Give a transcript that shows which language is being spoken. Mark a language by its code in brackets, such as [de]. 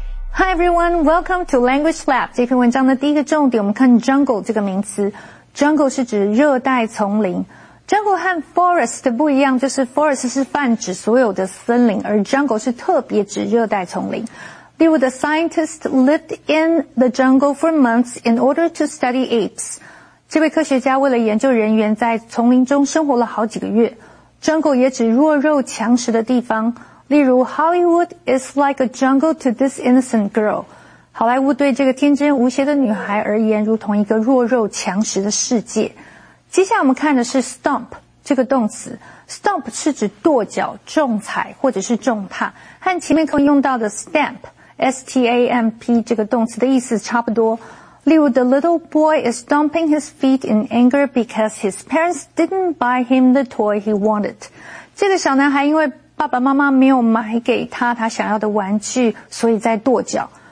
[en] Hi everyone, welcome to Language Lab. [zh] 这篇文章的第一个重点，我们看 jungle 这个名词。 Jungle 是指热带丛林。Jungle 和 forest 的不一样，就是 forest 是泛指所有的森林，而 jungle 是特别指热带丛林。例如 [en] the scientist lived in the jungle for months in order to study apes. [zh] 这位科学家为了研究人猿，在丛林中生活了好几个月。 [en] Jungle [zh] 也指弱肉强食的地方。例如 [en] Hollywood is like a jungle to this innocent girl. [zh] 好莱坞对这个天真无邪的女孩而言，如同一个弱肉强食的世界。接下来我们看的是 stomp 这个动词。stomp 是指跺脚、重踩或者是重踏，和前面可以用到的 stamp S-T-A-M-P 这个动词的意思差不多。例如 [en] The little boy is stomping his feet in anger because his parents didn't buy him the toy he wanted. [zh] 这个小男孩因为爸爸妈妈没有买给他他想要的玩具，所以在跺脚。